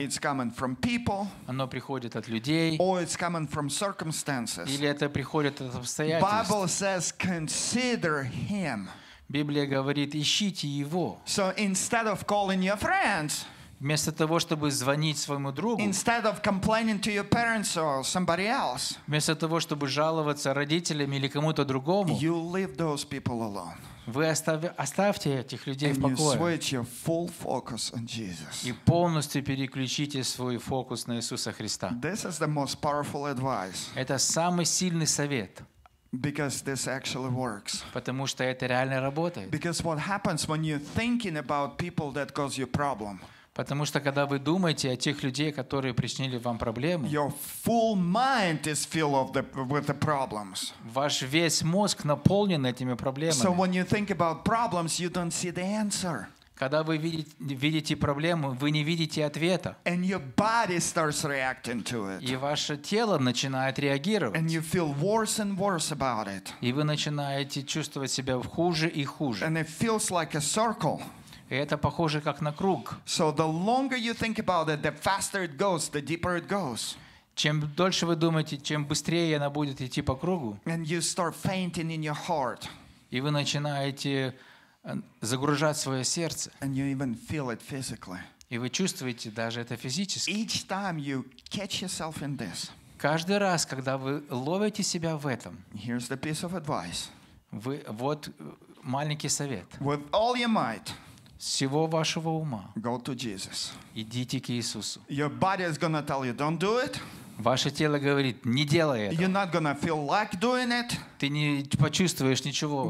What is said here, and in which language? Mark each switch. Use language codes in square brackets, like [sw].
[en] It's coming from people. [ru] Оно приходит от людей. [en] Or it's coming from circumstances. [ru] Или это приходит от обстоятельств. [en] Bible says, consider him. [ru] Библия говорит, ищите его. [en] So instead of calling your friends, [ru] вместо того, чтобы звонить своему другу, [en] instead of complaining to your parents or somebody else, [ru] вместо того, чтобы жаловаться родителям или кому-то другому, [en] you leave those people alone. [ru] Вы оставьте этих людей [en] and [ru] в покое. [en] You switch your full focus on Jesus. [ru] И полностью переключите свой фокус на Иисуса Христа. [en] This is the most powerful advice. [ru] Это самый сильный совет. [en] Because this actually works. [ru] Потому что это реально работает. [en] Because what happens when you're thinking about people that cause you problem? [ru] Потому что когда вы думаете о тех людей, которые причинили вам проблемы, [en] your full mind is filled of the, with the problems. [ru] Ваш весь мозг наполнен этими проблемами. [en] So when you think about problems, you don't see the answer. [ru] Когда вы видите проблему, вы не видите ответа. [en] And your body starts reacting to it. [ru] И ваше тело начинает реагировать. [en] And you feel worse and worse about it. [ru] И вы начинаете чувствовать себя хуже и хуже. [en] And it feels like a circle. [ru] И это похоже как на круг. [en] So the longer you think about it, the faster it goes, the deeper it goes. [ru] Чем дольше вы думаете, чем быстрее она будет идти по кругу. [en] And you start fainting in your heart. [ru] И вы начинаете загружать свое сердце. [en] And you even feel it physically. [ru] И вы чувствуете даже это физически. [en] Each time you catch yourself in this. [ru] Каждый раз, когда вы ловите себя в этом. [en] Here's the piece of advice. [ru] Вот маленький совет. [en] With all your might. [ru] Всего вашего ума. [en] Go to Jesus. [ru] Идите к Иисусу. [en] Your body is gonna tell you, don't do it. [ru] Ваше тело говорит, не делай это. [en] You're not gonna feel like doing it. [ru] Ты не почувствуешь ничего.